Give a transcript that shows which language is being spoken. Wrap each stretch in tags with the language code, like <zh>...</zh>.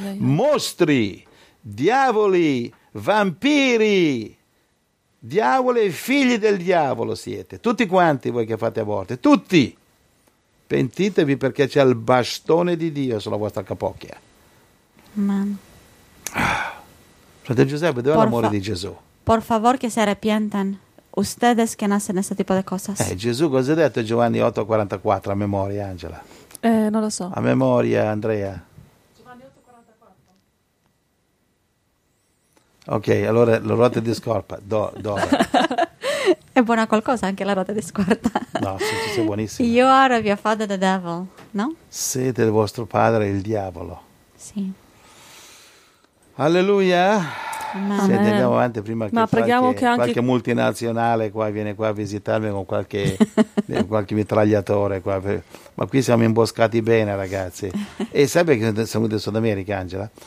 <it>Mostri, diavoli, vampiri, diavoli e figli del diavolo siete. Tutti quanti voi che fate aborti, tutti. Pentitevi perché c'è il bastone di Dio sulla vostra capocchia. Man. Fratello Giuseppe, dov'è l'amore di Gesù?</it> <es>Por favor que se arrepientan ustedes que nacen este tipo de cosas.</es> <it>Gesù cosa ha detto Giovanni 8:44 a memoria, Angela? Non lo so. A memoria, Andrea. Giovanni 8:44. Ok, allora la ruota di scorta. Dove? È buona qualcosa anche la ruota di scorta. No, sei buonissima.</it> <en>You are of your father the devil, no?</en> <it>Siete il vostro padre il diavolo. Sì. Alleluia. Amen. Se andiamo avanti prima che, qualche multinazionale qua viene qua a visitarmi con qualche qualche mitragliatore qua. Ma qui siamo imboscati bene, ragazzi. E sai perché siamo del Sud America, Angela?</it>